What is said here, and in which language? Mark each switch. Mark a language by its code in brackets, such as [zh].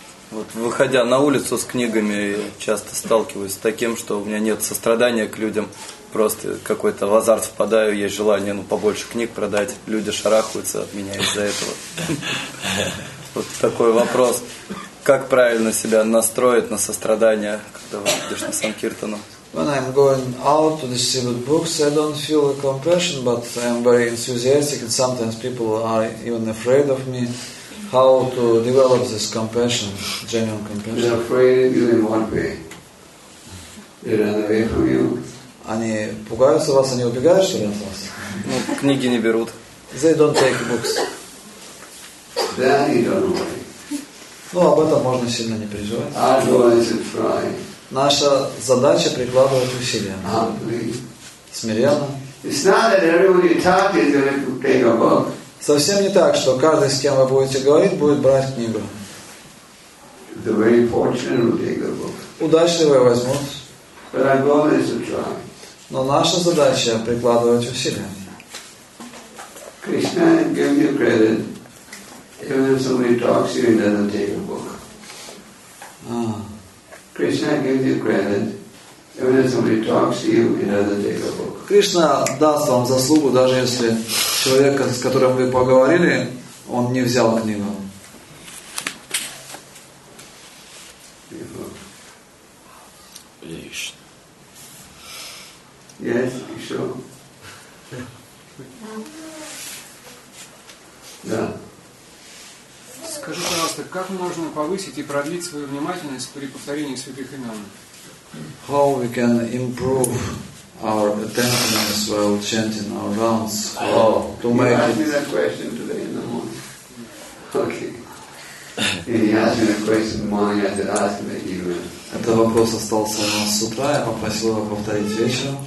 [ru] Вот выходя на улицу с книгами, часто сталкиваюсь с таким, что у меня нет сострадания к людям, просто какой-то в азарт впадаю, есть желание побольше книг продать, люди шарахаются от меня из-за этого. Вот такой вопрос, как правильно себя настроить на сострадание, когда выходишь на санкиртану? [en] When I'm going out to distribute books, I don't feel a compassion, but I'm very enthusiastic, and sometimes people are even afraid of me. How to develop this compassion, genuine compassion? They're afraid of you in one way. They run away from you. [ru] Они пугаются вас, они убегают, что ли, от вас? Ну, книги не берут. [en] They don't take books. Then you don't worry. [ru] Ну, об этом можно сильно не переживать. [en] Our goal is to try. [ru] Наша задача прикладывать усилия. Смиренно. [en] It's not that everyone you talk to is going to take a book. [ru] Совсем не так, что каждый, с кем вы будете говорить, будет брать книгу. [en] The very fortunate will take the book. [ru] Удачливые возьмут. [en] But our goal is to try. [ru] Но наша задача — прикладывать усилия. [en] Krishna gives you credit, even if somebody talks to you and doesn't take a book. Krishna gives you credit, even if somebody talks to you and doesn't take a book. [ru] Кришна даст вам заслугу, даже если человек, с которым вы поговорили, он не взял книгу. Лично. Yes, еще. Да. Скажи, пожалуйста, как можно повысить и продлить свою внимательность при повторении святых имен? [en] How we can improve our attentiveness while chanting our rounds. Oh, to make it. He asked me that question today in the morning. Okay. He asked me a question in the morning. I said, ask him that evening. [ru] Это вопрос остался у нас с утра. Я попросил его повторить вечером.